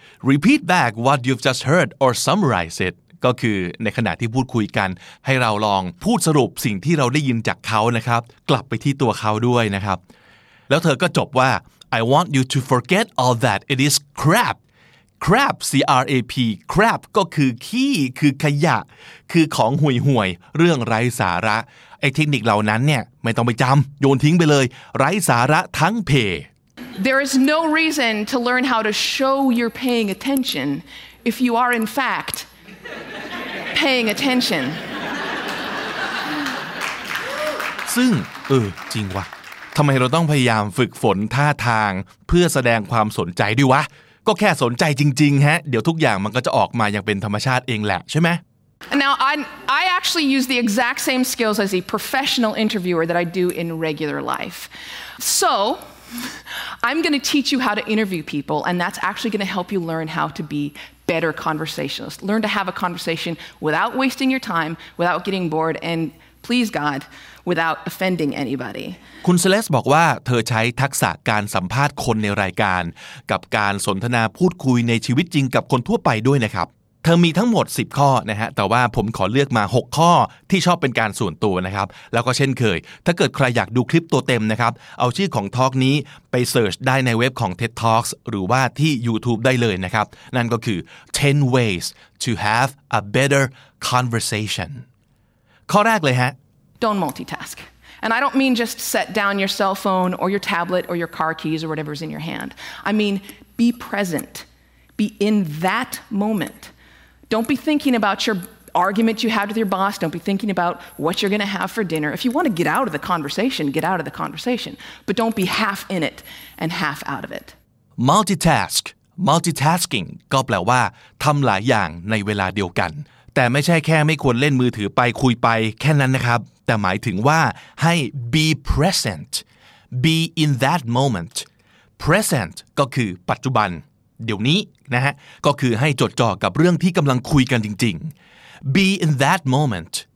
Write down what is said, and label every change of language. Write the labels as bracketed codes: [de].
[en] repeat back what you've just heard or summarize it [th] ก็คือในขณะที่พูดคุยกันให้เราลองพูดสรุปสิ่งที่เราได้ยินจากเขานะครับกลับไปที่ตัวเขาด้วยนะครับแล้วเธอก็จบว่า [en] I want you to forget all that it is crapcrap crap crap [th] ก็คือขี้คือขยะคือของห่วยห่วยเรื่องไร้สาระไอ้เทคนิคเหล่านั้นเนี่ยไม่ต้องไปจำโยนทิ้งไปเลยไร้สาระทั้งเพ [en] There is no reason to learn how to show you're paying attention if you are in fact paying attention [th] ซึ่งจริงวะทำไมเราต้องพยายามฝึกฝนท่าทางเพื่อแสดงความสนใจด้วยวะก็แค่สนใจจริงๆฮะเดี๋ยวทุกอย่างมันก็จะออกมาอย่างเป็นธรรมชาติเองแหละใช่ไหม [en] Now I actually use the exact same skills as a professional interviewer that I do in regular life. So I'm going to teach you how to interview people and that's actually going to help you learn how to be better conversationalist. Learn to have a conversation without wasting your time, without getting bored and please God without offending anybody. [th] คุณเซเลสบอกว่าเธอใช้ทักษะการสัมภาษณ์คนในรายการกับการสนทนาพูดคุยในชีวิตจริงกับคนทั่วไปด้วยนะครับเธอมีทั้งหมด10ข้อนะฮะแต่ว่าผมขอเลือกมา6ข้อที่ชอบเป็นการส่วนตัวนะครับแล้วก็เช่นเคยถ้าเกิดใครอยากดูคลิปตัวเต็มนะครับเอาชื่อของทอล์กนี้ไปเสิร์ชได้ในเว็บของ TED Talks หรือว่าที่ YouTube ได้เลยนะครับนั่นก็คือ10 ways to have a better conversation ข้อแรกเลยฮะ [en] Don't multitask. And I don't mean just set down your cell phone or your tablet or your car keys or whatever's in your hand. I mean, be present. Be in that moment. Don't be thinking about your argument you had with your boss. Don't be thinking about what you're going to have for dinner. If you want to get out of the conversation, get out of the conversation. But don't be half in it and half out of it. Multitask. [th] Multitasking ก็แปลว่าทำหลายอย่างในเวลาเดียวกันแต่ไม่ใช่แค่ไม่ควรเล่นมือถือไปคุยไปแค่นั้นนะครับแต่หมายถึงว่าให้ [en] be present be in that moment [th] present ก็คือปัจจุบันเดี๋ยวนี้นะฮะก็คือให้จดจ่อกับเรื่องที่กำลังคุยกันจริงๆ [en] be in that moment